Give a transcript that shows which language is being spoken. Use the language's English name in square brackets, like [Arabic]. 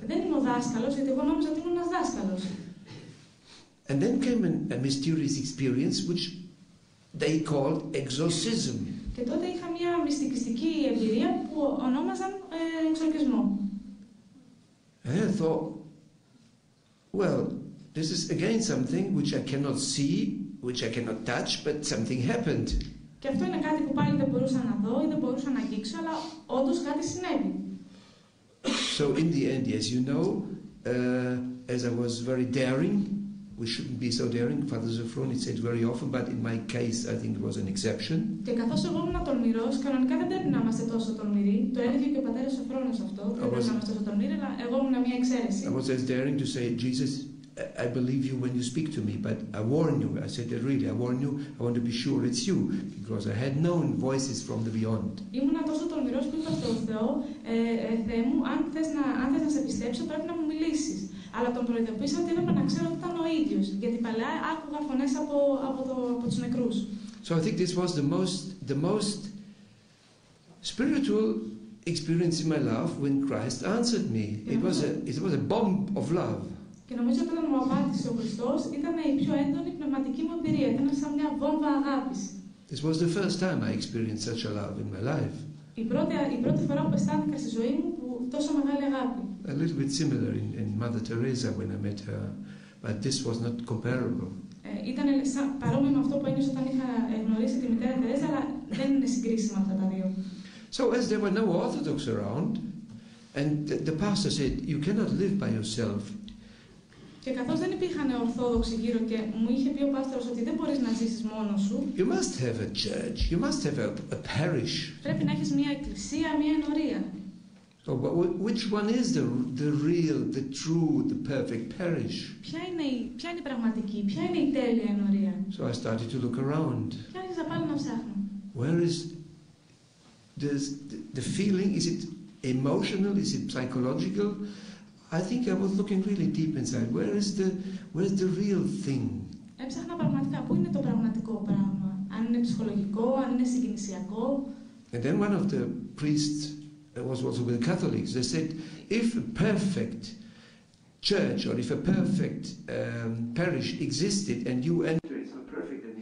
[Greek] Δεν είμαι ο δάσκαλος, γιατί εγώ νόμιζα ότι ήμουν ένας δάσκαλος. [English] And then came a mysterious experience which they called exorcism. [Greek] Και τότε είχα μια μυστικιστική εμπειρία που ονόμαζαν εξορκισμό. [English] And I thought, well, this is again something which I cannot see, which I cannot touch, but something happened. [Greek] Και αυτό είναι κάτι που πάλι δεν μπορούσα να δω ή δεν μπορούσα να αγγίξω, αλλά όντως κάτι συνέβη. [English] So in the end, as you know, as I was very daring, we shouldn't be so daring, Father Zofroni said very often, but in my case I think it was an exception. [Greek] Και καθώς εγώ ήμουν τολμηρός, κανονικά δεν πρέπει να είμαστε τόσο τολμηροί. Το έλεγε και ο πατέρας Σοφρόνος αυτό, δεν πρέπει να είμαστε τόσο τολμηροί, αλλά εγώ ήμουν μια εξαίρεση. [English] I was as daring to say, Jesus, I believe you when you speak to me, but I warn you. I said that really, I warn you. I want to be sure it's you, because I had known voices from the beyond. [Greek] Ήμουνα τόσο τολμηρός που είπα στον Θεό, Θεέ μου, αν θες να σε πιστέψω, πρέπει να μου μιλήσεις. Αλλά τον προειδοποίησα ότι έπρεπε να ξέρω ότι ήταν ο ίδιος, γιατί παλιά άκουγα φωνές από τους νεκρούς. [English] So I think this was the most spiritual experience in my life when Christ answered me. It was a bomb of love. [Greek] Και νομίζω ότι όταν μου απάντησε ο Χριστός, ήταν η πιο έντονη πνευματική μου εμπειρία. Ήταν σαν μια βόμβα αγάπης. [English] This was the first time I experienced such a love in my life. A little bit similar in Mother Teresa when I met her, but this was not comparable. [Greek] Ήταν παρόμοιο με αυτό που ένιωσα όταν είχα γνωρίσει τη μητέρα Τερέζα, αλλά δεν είναι συγκρίσιμα αυτά τα δύο. [English] So as there were no Orthodox around, and the pastor said, you cannot live by yourself. [Greek] Και καθώς δεν υπήρχαν Ορθόδοξοι γύρω και μου είχε πει ο πάστορος ότι δεν μπορείς να ζήσεις μόνος σου. [English] You must have a church. You must have a parish. [Greek] Πρέπει να έχεις μια εκκλησία, μια ενορία. [English] So, which one is the real, the true, the perfect parish? [Greek] Ποια είναι η πραγματική, ποια είναι η τέλεια ενορία? [English] So I started to look around. [Greek] Και άρχισα πάλι να ψάχνω. [English] Where is the feeling? Is it emotional? Is it psychological? I think I was looking really deep inside. Where is the real thing? [Greek] Έψαχνα πραγματικά, πού είναι το πραγματικό πράγμα? Αν είναι ψυχολογικό, αν είναι συγκινησιακό. [English] And then one of the priests, it was also with the Catholics. They said, if a perfect church or if a perfect parish existed and you enter, it's not perfect